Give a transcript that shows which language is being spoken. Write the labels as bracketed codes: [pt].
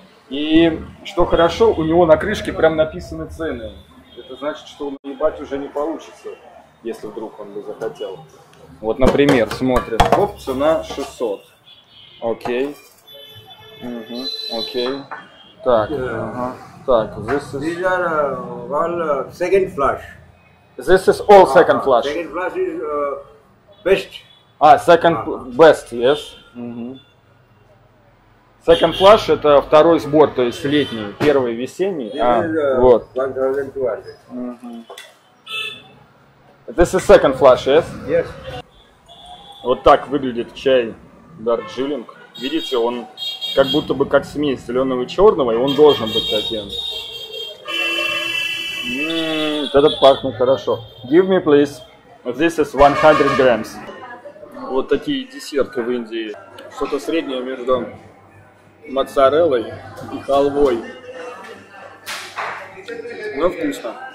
[ru] И что хорошо, у него на крышке прям написаны цены. Это значит, что наебать уже не получится, если вдруг он бы захотел. Вот, например, смотрим. Оп, цена 600. Окей. Угу, окей. Так, Так, [en] this is... These are all second flush. This is all second flush. Second flush is best. Second best, yes. [ru] Угу. Second flush — это второй сбор, то есть летний, первый весенний. Вот. 1200. Mm-hmm. [en] This is second flush, yes? Yes. [ru] Вот так выглядит чай Дарджилинг. Видите, он как будто бы как смесь зеленого и черного, и он должен быть таким. Этот пахнет хорошо. [en] Give me, please. This is 100 grams. [ru] вот такие десерты в Индии. Что-то среднее между моцареллой и халвой. Но вкусно.